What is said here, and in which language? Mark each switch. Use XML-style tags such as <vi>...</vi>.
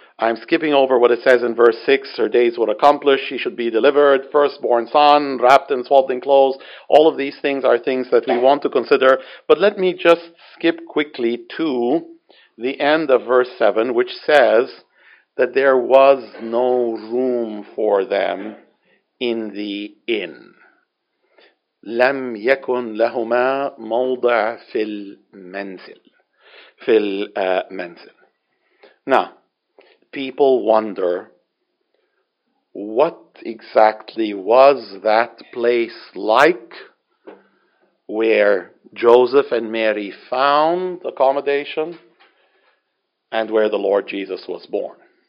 <en>I'm skipping over what it says in verse 6, her days were accomplished, she should be delivered, firstborn son, wrapped in swaddling clothes. All of these things are things that we want to consider. But let me just skip quickly to the end of verse 7, which says that there was no room for them in the inn.</en> <ar>لم يكن لهما موضع في المنزل. في المنزل.</ar> <en>Now, people wonder, what exactly was that place like where Joseph and Mary found accommodation and where the Lord Jesus was born?</en>